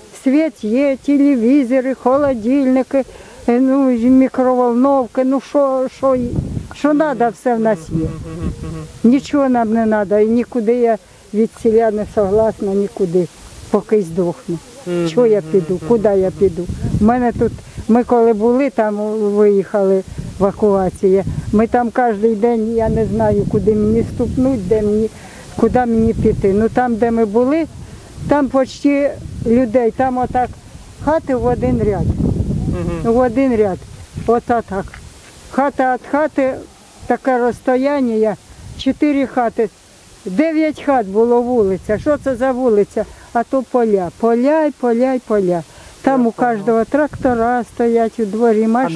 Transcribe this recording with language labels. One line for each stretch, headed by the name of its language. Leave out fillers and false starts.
Russian: Свет есть, телевизоры, холодильники, ну, микроволновки. Ну, что надо, все у нас есть. Ничего нам не надо. И никуда я от селя не согласна, никуда, пока сдохну. Чего я піду? Куда я піду?
Ukrainian: Ми коли були там, виїхали в евакуацію, ми там кожен день, я не знаю, куди мені ступнуть, куди мені піти. Ну там, де ми були, там почти людей, там отак хати в один ряд. В один ряд. Отак. Хата від хати, таке розстояння, 4 хати, 9 хат було вулиця. Що це за вулиця? А то поля, поля. там у каждого трактора стоять, у дворі машини.